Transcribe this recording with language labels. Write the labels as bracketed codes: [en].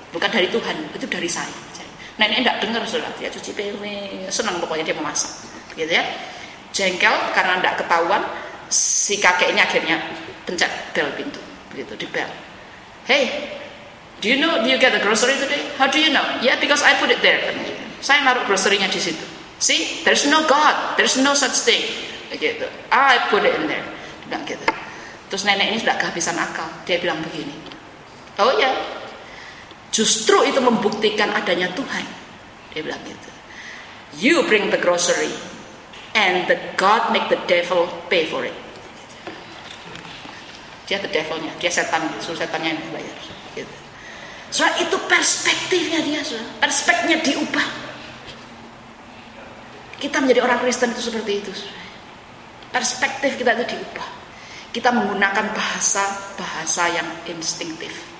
[id] Bukan dari Tuhan, itu dari saya. Jadi, nenek nggak dengar sudah, dia cuci piring, senang pokoknya dia memasak, gitu ya. Jengkel karena nggak ketahuan, si kakek ini akhirnya pencet bel pintu, begitu di bel. [en] Hey, do you get the grocery today? How do you know? Yeah, because I put it there. [id] Saya naruh grocery-nya di situ. [en] See, there's no God. There's no such thing. Gitu. I put it in there. [id] Dia bilang gitu. Terus nenek ini sudah kehabisan akal. Dia bilang begini. [en] Oh yeah. [id] Justru itu membuktikan adanya Tuhan. Dia bilang gitu. [en] You bring the grocery and the God make the devil pay for it. [id] Dia the devilnya, dia setan, suruh setannya yang bayar. Gitu. Soalnya itu perspektifnya dia, soalnya perspektifnya diubah. Kita menjadi orang Kristen itu seperti itu. Soalnya. Perspektif kita itu diubah. Kita menggunakan bahasa yang instinktif.